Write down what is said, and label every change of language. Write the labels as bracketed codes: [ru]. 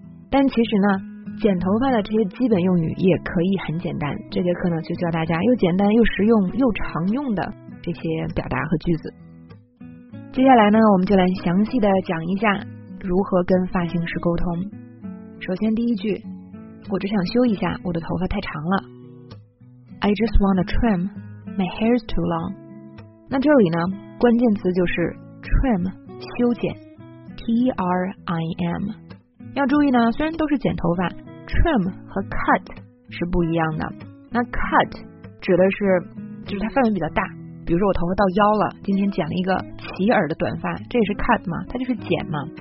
[zh] 但其实呢，剪头发的这些基本用语也可以很简单，这节课呢就教大家又简单又实用又常用的这些表达和句子。接下来呢，我们就来详细的讲一下如何跟发型师沟通。首先第一句，我只想修一下，我的头发太长了。 [en] I just want to trim, my hair is too long。 [zh] 那这里呢关键词就是 trim, 修剪， T-R-I-M。要注意呢，虽然都是剪头发， trim 和 cut 是不一样的。那 cut 指的是它范围比较大，比如说我头发到腰了，今天剪了一个齐耳的短发，这也是 cut 嘛，它就是剪嘛。